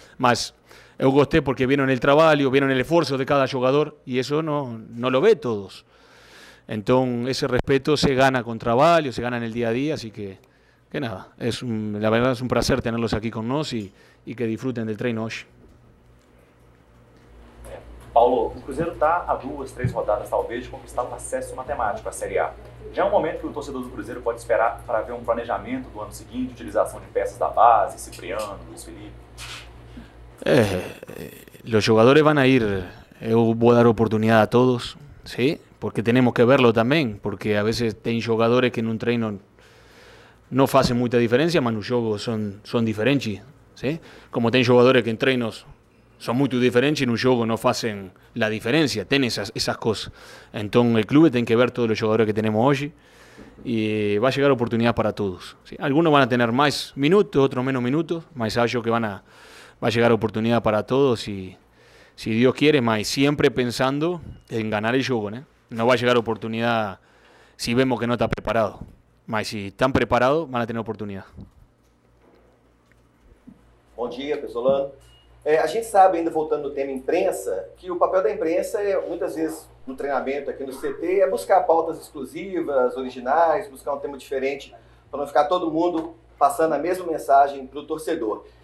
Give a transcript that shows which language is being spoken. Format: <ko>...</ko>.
<es>Mas yo gosté porque vieron el trabajo, vieron el esfuerzo de cada jugador y eso no lo ve todos. Entonces, ese respeto se gana con trabajo, se gana en el día a día, así que nada, la verdad es un placer tenerlos aquí con nosotros y que disfruten del treino hoy.</es> <pt>Paulo, o Cruzeiro está a duas, três rodadas, talvez, de conquistar um acesso matemático à Série A. Já é um momento que o torcedor do Cruzeiro pode esperar para ver um planejamento do ano seguinte, utilização de peças da base, Cipriano, Luiz Felipe?</pt> <es>Los jugadores van a ir, yo voy a dar oportunidad a todos, ¿sí? Porque tenemos que verlo también, porque a veces hay jugadores que en un treino no hacen mucha diferencia, pero en un juego son diferentes, ¿sí? Como</es> <pt>tem jogadores</pt> <es>que en treinos son muy diferentes y en un juego no hacen la diferencia, tienen esas cosas. Entonces el club tiene que ver todos los jugadores que tenemos hoy y va a llegar oportunidad para todos. ¿Sí? Algunos van a tener más minutos, otros menos minutos, mas creo que va a llegar oportunidad para todos y si Dios quiere, mas siempre pensando en ganar el juego. ¿Eh? No va a llegar oportunidad si vemos que no está preparado, mas si están preparados van a tener oportunidad. Buen día, Pesolano.</es> <pt>A gente sabe, ainda voltando ao tema imprensa, que o papel da imprensa é, muitas vezes, no treinamento aqui no CT, é buscar pautas exclusivas, originais, buscar um tema diferente, para não ficar todo mundo passando a mesma mensagem para o torcedor.</pt>